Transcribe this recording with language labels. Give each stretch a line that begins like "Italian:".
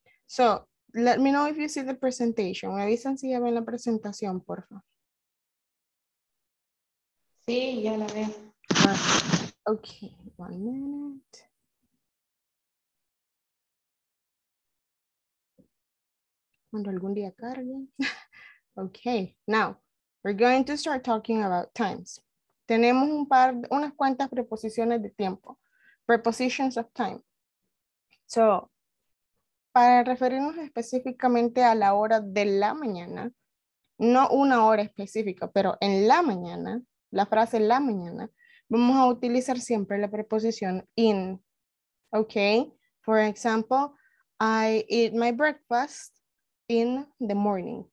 English: So, let me know if you see the presentation.
Spanish: Me avisan si ya ven la presentación, por favor. Sí, ya la veo.
English: Okay, one minute.
Spanish: Cuando algún día cargue.
English: Okay, now, we're going to start talking about times.
Spanish: Tenemos un par, unas cuantas preposiciones de tiempo.
English: Prepositions of time.
Spanish: So, para referirnos específicamente a la hora de la mañana, no una hora específica, pero en la mañana, la frase la mañana, vamos a utilizar siempre la preposición in.
English: Okay? For example, I eat my breakfast in the morning.